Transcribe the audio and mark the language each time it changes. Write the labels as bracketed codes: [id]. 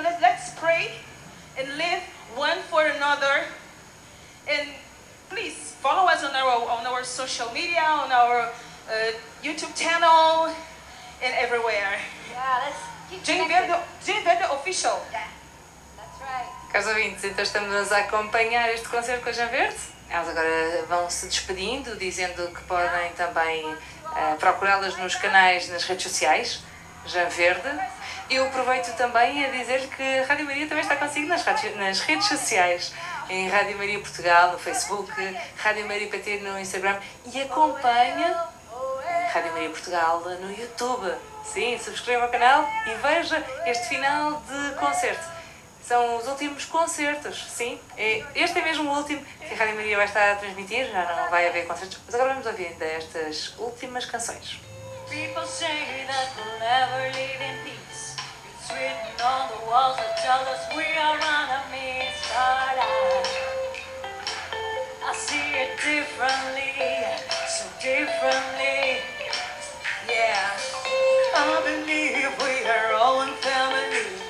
[en] Let's pray and live one for another. And please follow us on our social media, on our YouTube channel, and everywhere. Jane Verde Official. [pt] Caros ouvintes, então estamos a acompanhar este concerto com a Jane Verde. Elas agora vão se despedindo, dizendo que podem também procurá-las nos canais, nas redes sociais, Jane Verde. Eu aproveito também a dizer que a Rádio Maria também está consigo nas redes sociais, em Rádio Maria Portugal, no Facebook, Rádio Maria PT no Instagram, e acompanha Rádio Maria Portugal no YouTube. Sim, subscreva o canal e veja este final de concerto. São os últimos concertos, sim. Este é mesmo o último que a Rádio Maria vai estar a transmitir. Já não vai haver concertos. Mas agora vamos ouvir destas últimas canções. [en] People say that we'll never live in peace. It's written on the walls that tell us we are enemies. But I see it differently, so differently. Yeah, I believe we are all in family.